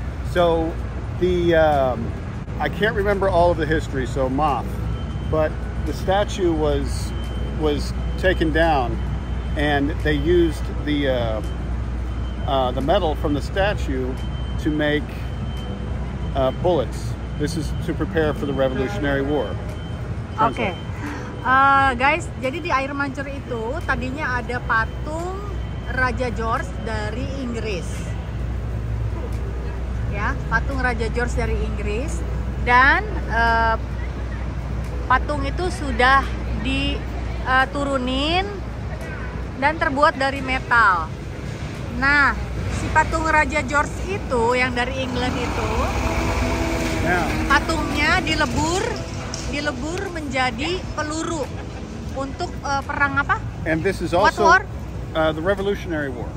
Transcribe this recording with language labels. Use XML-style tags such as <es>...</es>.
<en>So the, I can't remember all of the history, so moth, but the statue was taken down and they used the metal from the statue to make bullets. This is to prepare for the Revolutionary War. Oke. Okay.</en> <id>Guys, jadi di air mancur itu tadinya ada patung Raja George dari Inggris. Ya, patung Raja George dari Inggris dan patung itu sudah diturunin dan terbuat dari metal. Nah, patung Raja George itu yang dari England itu, patungnya dilebur menjadi peluru untuk perang apa?</id> <en>And this is also the Revolutionary War.</en>